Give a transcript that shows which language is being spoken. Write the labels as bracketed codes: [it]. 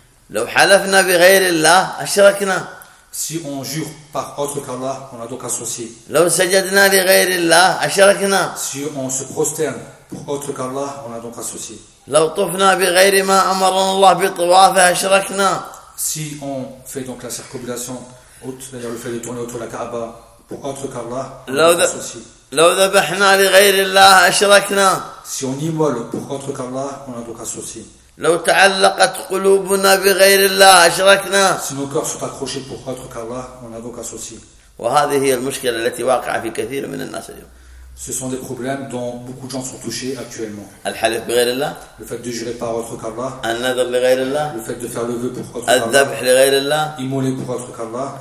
[ar] لو حلفنا بغير الله أشركنا. [fr] Si on jure par autre qu'Allah, on a donc associé. [ar] لو سجدنا لغير الله أشركنا. [fr] Si on se prosterne pour autre qu'Allah, on a donc associé. [ar] لو طفنا بغير ما أمرنا الله بطوافه أشركنا. [fr] Si on fait donc la circumambulation, c'est-à-dire le fait de tourner autour de la Kaaba pour autre qu'Allah, on a associé. [ar] لو ذبحنا لغير الله أشركنا. [fr] Si on immole pour autre qu'Allah, on a donc associé. [ar] لو تعلقت قلوبنا بغير الله أشركنا. [fr] Si nos corps sont accrochés pour autre qu'Allah, on a donc associé. [ar] وهذه هي المشكلة التي واقعة في كثير من الناس اليوم. [fr] Ce sont des problèmes dont beaucoup de gens sont touchés actuellement. [ar] الحلف بغير الله. [fr] Le fait de jurer par autre qu'Allah. [ar] النذر لغير الله. [fr] Le fait de faire le vœu pour autre qu'Allah. [ar] الذبح لغير الله. [fr] Immoler pour autre qu'Allah.